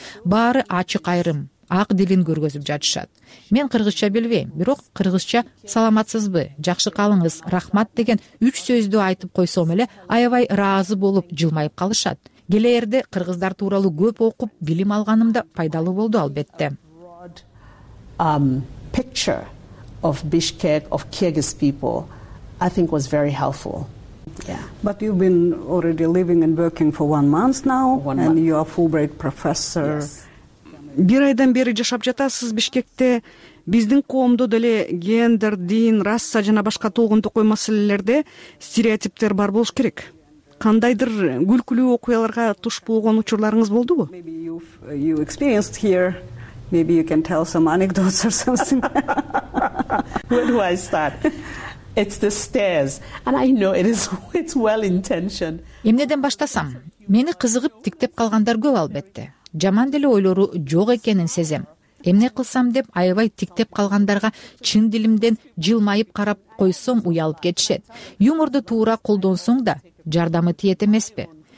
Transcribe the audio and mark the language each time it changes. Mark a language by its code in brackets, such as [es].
[ky] Баары ачык айрым, ак дилин көргөзүп жатышат. Мен кыргызча билбейм, бирок кыргызча саламатсызбы, жакшы калыңыз, рахмат деген үч сөздү айтып койсом эле аябай ыраазы болуп жылмайып калышат. Келээрде кыргыздар тууралуу көп окуп, билим алганым да пайдалуу болду албетте. [en] Picture of Bishkek of Kyrgyz people I think was very helpful. Yeah. But you've been already living and working for 1 month now and you are Fulbright professor. Yes. [ky] Бир айдан бери жашап жатасыз Бишкекте. Биздин коомдо деле гендер, дин, раса жана башка тогундук маселелерде стереотиптер бар болуш керек. Кандайдыр күлкүлүү окуяларга туш болгон учурларыңыз болдубу? [en] You experienced here. Maybe you can tell some anecdotes or something. Where do I start? It's the stairs. And I know it's well intentioned. [ky] Эмнеден баштасам? Мени кызыгып тиктеп калгандар көп албетте. Жаман деле ойлору жок экенин сезем. Эмне кылсам деп аябай тиктеп калгандарга чын дилимден жылмайып карап койсом уялып кетишет. Юморду туура колдонсоң да жардамы тиет эмеспи?